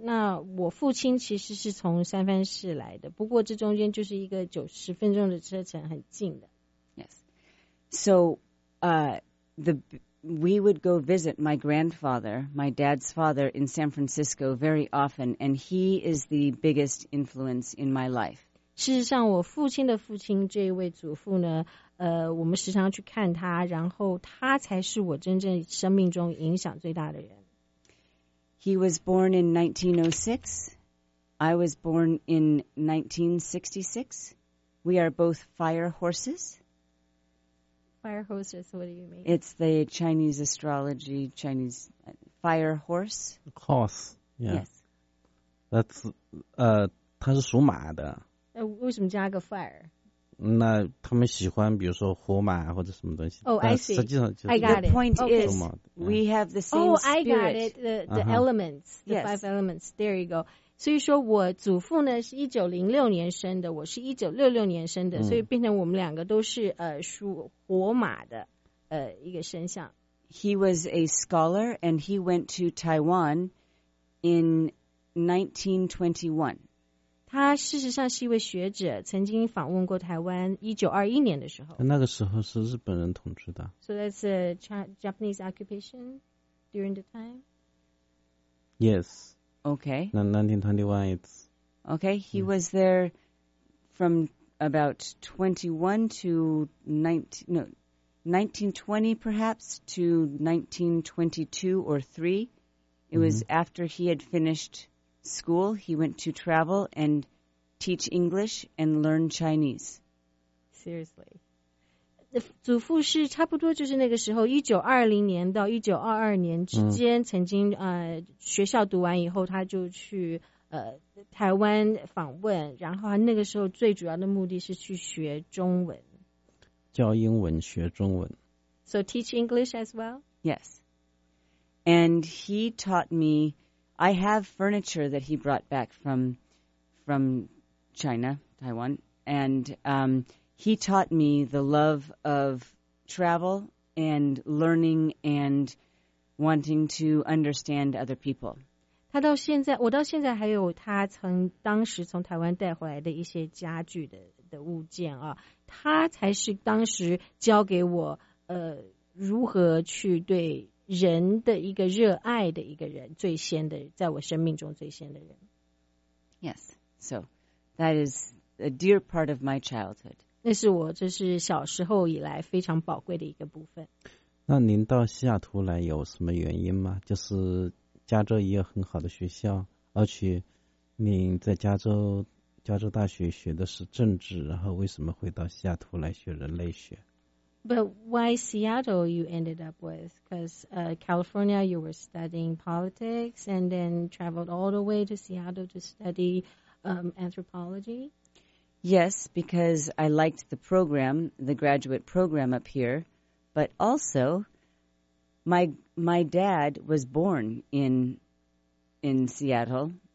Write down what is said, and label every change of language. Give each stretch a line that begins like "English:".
Chinese: 那我父亲其实是从三藩市来的，不过这中间就是一个90分钟的车程，很近的。
English: Yes. So, we would go visit my grandfather, my dad's father, in San Francisco very often, and he is the biggest influence in my life.
Chinese: 事实上，我父亲的父亲这一位祖父呢。我们时常去看他，然后他才是我真正生命中影响最大的人。
English: He was born in 1906. I was born in 1966. We are both fire horses. Fire horses, what do you mean? It's the Chinese astrology, Chinese fire horse. Horse, yeah. Yes.
Chinese: That's, 他是属马的。为什么加个 fire? 那他们喜欢比如说火马或者什么东西。
English: Oh, I see.
Chinese: 实际上就是
English: I got it. The point okay. is, we have the same spirit. Oh, I got it. The elements, the five elements. There you go.
Chinese: 所以说我祖父呢是1906年生的，我是1966年生的，所以变成我们两个都是属火马的一个生肖。
English: He was a scholar and he went to Taiwan in 1921.
Chinese: 他事实上是一位学者，曾经访问过台湾，1921年的时候。那个时候是日本人统治的。
English: So that's a Japanese occupation during the time. Yes. Okay. 1921 it's. Okay, he was there from about 21 to 19, no, 1920 perhaps to 1922 or 3. It was after he had finished school, he went to travel and teach English and learn Chinese. Seriously.
Chinese: 祖父是差不多就是那个时候1920年到1922年之间曾经学校读完以后他就去台湾访问，然后那个时候最主要的目的是去学中文，教英文学中文。
English: So teach English as well? Yes. And he taught me, I have furniture that he brought back from China, Taiwan, and he taught me the love of travel and learning and wanting to understand other people.
Chinese: 他到现在，我到现在还有他曾当时从台湾带回来的一些家具的物件啊。他才是当时教给我如何去对人的一个热爱的一个人，最先的，在我生命中最先的人。
English: Yes, so that is a dear part of my childhood.
Chinese: 那是我这是小时候以来非常宝贵的一个部分。那您到西雅图来有什么原因吗？就是加州也有很好的学校，而且您在加州大学学的是政治，然后为什么回到西雅图来学人类学？
English: But why Seattle you ended up with? Because California, you were studying politics and then traveled all the way to Seattle to study anthropology? Yes, because I liked the program, the graduate program up here. But also, my dad was born in Seattle.